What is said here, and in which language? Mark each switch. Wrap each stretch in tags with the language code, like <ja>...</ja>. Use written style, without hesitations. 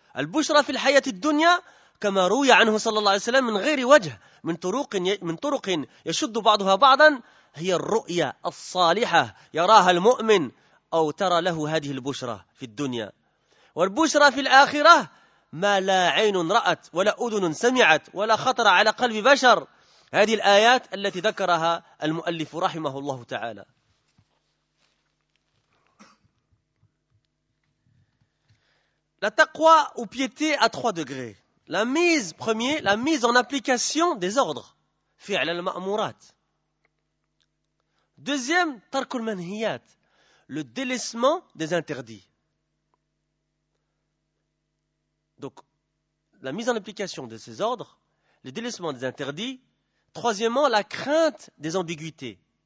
<ar>البشرى في الحياة الدنيا كما روي عنه صلى الله عليه وسلم من غير وجه من طرق يشد بعضها بعضا هي الرؤية الصالحة يراها المؤمن أو ترى له هذه البشرى في الدنيا. والبشرى في الآخرة ما لا عين رأت ولا أذن سمعت ولا خطر على قلب بشر. هذه الآيات التي ذكرها المؤلف رحمه الله تعالى.</ar> <fr>La taqwa ou piété à 3 degrés. La mise, premier, la mise en application des ordres.</fr> <ar>فعل المأمورات.</ar> <fr>Deuxième,</fr> <ar>ترك المنهيات.</ar> <fr>Le délaissement des interdits. Donc, la mise en application de ces ordres, le délaissement des interdits. Troisièmement, la crainte des ambiguïtés.</fr>